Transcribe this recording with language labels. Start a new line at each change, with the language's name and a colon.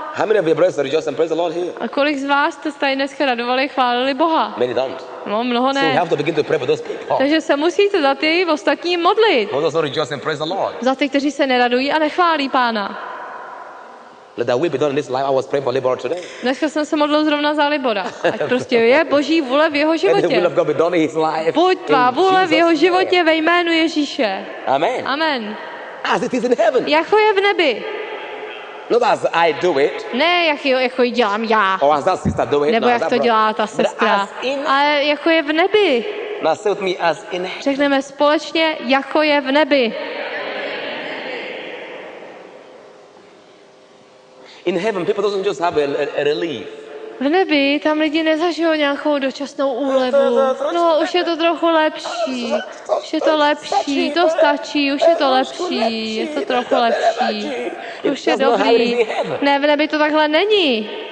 English: How many of your brothers rejoice and praise the Lord here?
Czech: A kolik z vás to tady dneska radovali, chválili Boha?
English: Many don't.
Czech: No, mnoho ne.
English: So you have to begin to pray for those people.
Czech: Takže se musíte za ty ostatní modlit.
English: Who does not rejoice and praise the Lord?
Czech: Za ty, kteří se neradují a nechválí Pána.
English: Let that will be done in this life. I was praying for Libora today.
Czech: Dneska jsem se modlil zrovna za Libora. Ať prostě je Boží vůle v jeho životě.
English: Let the will of God be done in his life.
Czech: Buď tvá vůle v jeho životě ve jménu Ježíše.
English: Amen.
Czech: Amen.
English: As it is in heaven.
Czech: Jako je v nebi.
English: Not as I do it.
Czech: Ne, jako dělám já.
English: Or as that sister do it.
Czech: Nebo jak to dělá ta sestra. Ale jako je v nebi.
English: Now say with me, as in.
Czech: Řekneme společně, jako je v nebi.
English: In heaven, people doesn't just have a relief.
Czech: V nebi tam lidi nezažijou nějakou dočasnou úlevu. No, už je to trochu lepší. Už je to lepší. To stačí. Už je to lepší. Je to trochu lepší. Už je dobrý. Ne, v nebi to takhle není.